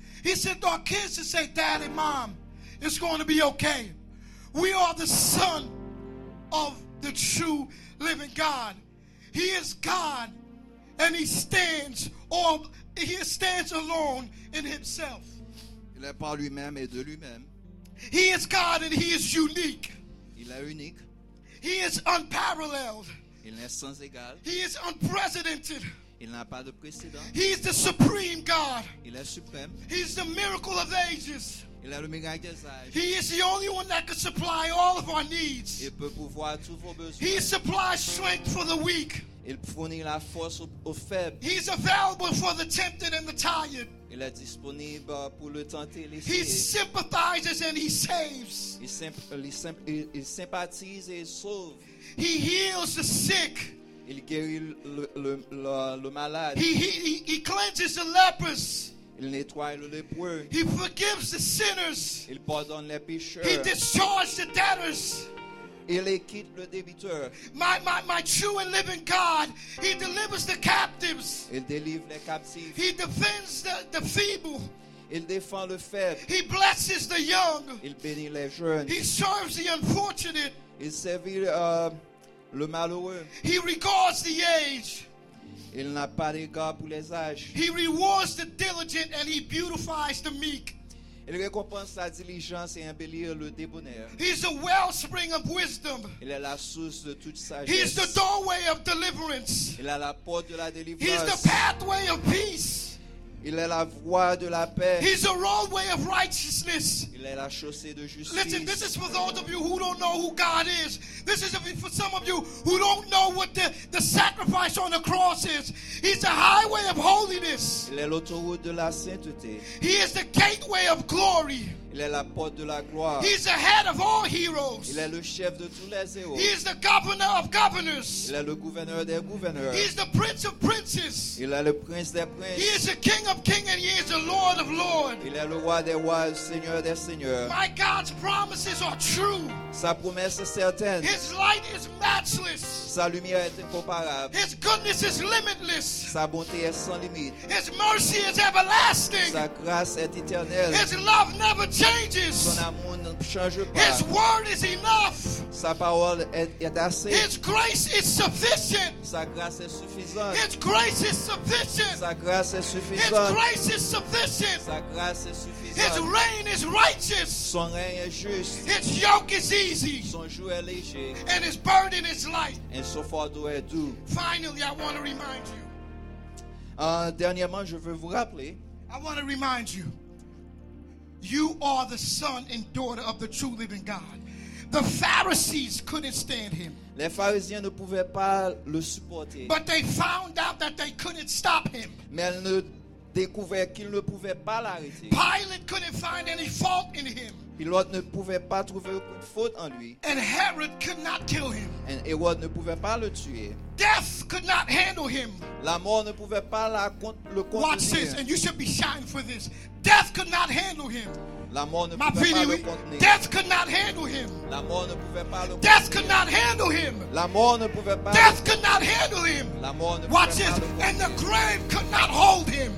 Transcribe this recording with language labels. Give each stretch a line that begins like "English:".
English: He sent our kids to say, Daddy, Mom, it's going to be okay. We are the son of the true living God. He is God, and he stands alone in himself.
French: Il est par lui-même et de lui-même.
English: He is God, and he is unique.
French: Il est unique.
English: He is unparalleled.
French: Il est sans égal.
English: He is unprecedented.
French: Il n'a pas de précédent.
English: He is the supreme God.
French: Il est suprême.
English: He is the miracle of ages.
French: Il est le miracle des âges.
English: He is the only one that can supply all of our needs.
French: Il peut pourvoir tous vos besoins.
English: He supplies strength for the weak.
French: Il fournit la force aux faibles.
English: He is available for the tempted and the tired.
French: Il est disponible pour le tenté et l'essayé.
English: He sympathizes and he saves.
French: Il sympathise et sauve.
English: He heals the sick.
French: Il guérit le malade.
English: He cleanses the lepers.
French: Il nettoie le lépreux.
English: He forgives the sinners.
French: Il pardonne les pécheurs.
English: He discharges the debtors.
French: Il acquitte le débiteur.
English: My true and living God, he delivers the captives.
French: Il délivre les captifs.
English: He defends the feeble.
French: Il défend le faible.
English: He blesses the young.
French: Il bénit les jeunes.
English: He serves the unfortunate.
French: Il servit le malheureux.
English: He regards the age.
French: Il n'a pas d'égard pour les âges.
English: He rewards the diligent and he beautifies the meek.
French: Il récompense la diligence et embellit le débonnaire.
English: He's the wellspring of wisdom.
French: Il est la source de toute sagesse.
English: He's the doorway of deliverance.
French: Il est la porte de la délivrance.
English: He's the pathway of peace.
French: Il est la voie de la paix.
English: He's the roadway of righteousness.
French: Il est la chaussée de justice.
English: Listen, this is for those of you who don't know who God is. This is for some of you who don't know what the sacrifice on the cross is. He's the highway of holiness.
French: Il est l'autoroute de la sainteté.
English: He is the gateway of glory.
French: Il est la porte de la gloire.
English: He is the head of all heroes.
French: Il est le chef de tous les héros.
English: He is the governor of governors.
French: Il est le gouverneur des gouverneurs.
English: He is the prince of princes.
French: Il est le prince des princes.
English: He is the king of kings and he is the lord of lords.
French: Il est le roi des rois, le seigneur des seigneurs.
English: My God's promises are true.
French: Sa promesse est certaine.
English: His light is matchless.
French: Sa lumière est incomparable.
English: His goodness is limitless.
French: Sa bonté est sans limite.
English: His mercy is everlasting.
French: Sa grâce est éternelle.
English: His love never changes.
French: Son amour ne change pas.
English: His word is enough.
French: Sa parole est assez.
English: His grace is sufficient.
French: Sa grâce est suffisante.
English: His grace is sufficient.
French: Sa grâce est suffisante.
English: His grace is sufficient.
French: Sa grâce est suffisante.
English: His reign is righteous.
French: Son règne est juste.
English: His yoke is easy.
French: Son joug est léger.
English: And his burden is light.
French: Et son fardeau est doux.
English: Finally, I want to remind you.
French: Dernièrement, je veux vous rappeler.
English: I want to remind you. You are the son and daughter of the true living God. The Pharisees couldn't stand him.
French: Les pharisiens ne pouvaient pas le supporter.
English: But they found out that they couldn't stop him.
French: Mais ils ne découvrent qu'ils ne pouvaient pas l'arrêter.
English: Pilate couldn't find any fault in him.
French: Pilate ne pouvait pas trouver de faute en lui.
English: And Herod could not kill him.
French: Et Hérode ne pouvait pas le tuer.
English: Death could not handle him.
French: La mort ne pouvait pas la le contenir.
English: Watch this, and you should be shouting for this. Death could not handle him.
French: La mort ne pouvait pas le contenir.
English: Death could not handle him.
French: La mort ne pouvait pas le contenir.
English: Death could not handle him.
French: La mort ne pouvait pas.
English: Death could not handle him.
French: La mort ne pouvait pas le contenir.
English: Watch this, and the grave could not hold him.